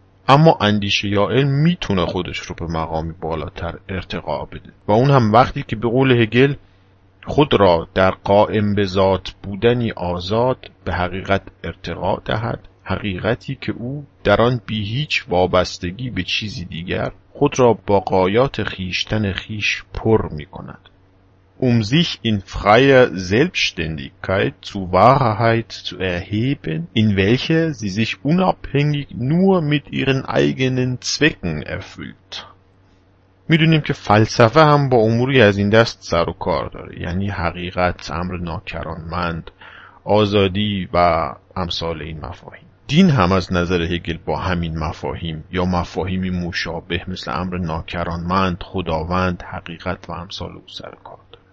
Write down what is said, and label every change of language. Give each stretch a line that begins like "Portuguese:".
Persian: اما اندیشه یا علم میتونه خودش رو به مقامی بالاتر ارتقا بده، و اون هم وقتی که به قول هگل خود را در قائم به ذات بودنی آزاد به حقیقت ارتقا دهد، حقیقتی که او در آن بی هیچ وابستگی به چیزی دیگر خود را با غایات خیشتن خیش پر می کند.
German: sich in freier Selbstständigkeit zu Wahrheit zu erheben, in welcher sie sich unabhängig nur mit ihren eigenen Zwecken erfüllt.
Persian: میدونیم که فلسفه هم با اموری از این دست سر و کار داره، یعنی حقیقت، امر ناکرانمند، آزادی و امثال این مفاهیم. دین هم از نظر هگل با همین مفاهیم یا مفاهیمی مشابه مثل امر ناکرانمند، خداوند، حقیقت و امثال او سر و کار داره.